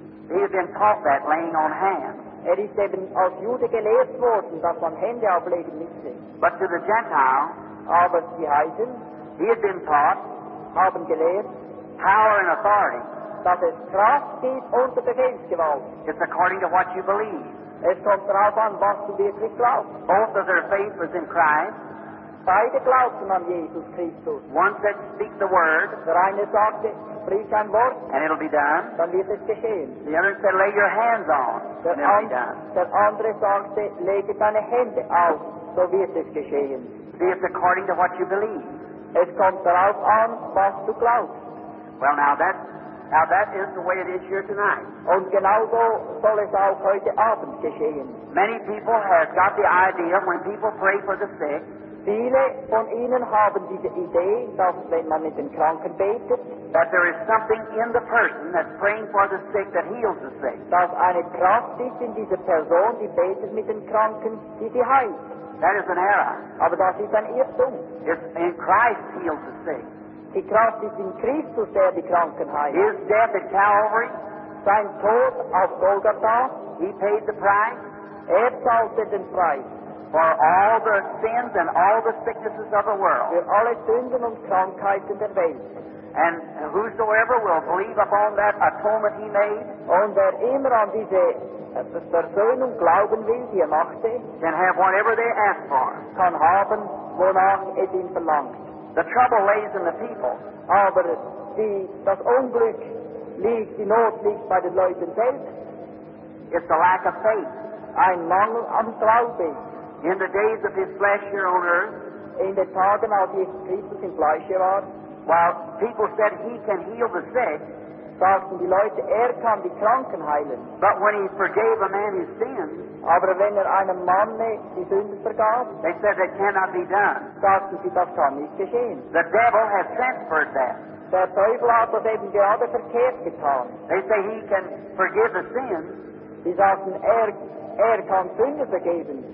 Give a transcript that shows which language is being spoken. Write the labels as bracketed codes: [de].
[en] He had been taught that, laying on hands. [de] Er ist eben als Jude gelehrt worden, dass man Hände auflegen müsste. [en] But to the Gentile, [de] aber die Heiden, [en] he had been taught [de] haben gelehrt, [en] power and authority, [de] dass es Kraft gibt und Befehlsgewalt. [en] It's according to what you believe. [de] Es kommt darauf an, was du wirklich glaubst. [en] Both of their faith was in Christ. [de] Beide glaubten an Jesus Christus. [en] One said, speak the word. [de] Der eine sagte, sprich ein Wort. [en] And it'll be done. [de] Dann wird es geschehen. [en] The other said, lay your hands on. [de] Der andere sagte, lege deine Hände auf. So wird es geschehen. [en] See, it's according to what you believe. [de] Es kommt darauf an, was du glaubst. [en] Well, now that is the way it is here tonight. [de] Und genau so soll es auch heute Abend geschehen. [en] Many people have got the idea when people pray for the sick. [de] Viele von ihnen haben diese Idee, dass wenn man mit den Kranken betet, [en] that there is something in the person that's praying for the sick that heals the sick. [de] Dass eine Kraft ist in dieser Person, die betet mit den Kranken, die sie heilt. [en] That is an error. [de] Aber das ist ein Irrtum. [en] It's in Christ heals the sick. [de] Die Kraft ist in Christus, der die Kranken heilt. [en] His death at Calvary, [de] sein Tod auf Golgatha, [en] he paid the price. [de] Er zahlte den Preis. [en] For all the sins and all the sicknesses of the world. [de] Für alle Sünden und Krankheiten der Welt. [en] And whosoever will believe upon that atonement he made, [de] und wer immer an diese Versöhnung glauben will, die er machte, [en] can have whatever they ask for. [de] Kann haben, wonach es ihm verlangt. [en] The trouble lays in the people. [de] Aber das Unglück liegt, die Not liegt bei den Leuten selbst. [en] It's the lack of faith. [de] Ein Mangel am Glauben. [en] In the days of his flesh here on earth, [de] in the Tagen, als Jesus Christus im Fleisch war, [en] while people said he can heal the sick, [de] sagten die Leute, er kann die Kranken heilen. [en] But when he forgave a man his sins, [de] aber wenn er einem Mann die Sünden vergab, [en] they said that cannot be done. [de] Sagten sie, das kann nicht geschehen. [en] The devil has transferred that. [de] Der Teufel hat das eben gerade verkehrt getan. [en] They say he can forgive the sins. [de] Sie sagten, er kann Sünden vergeben.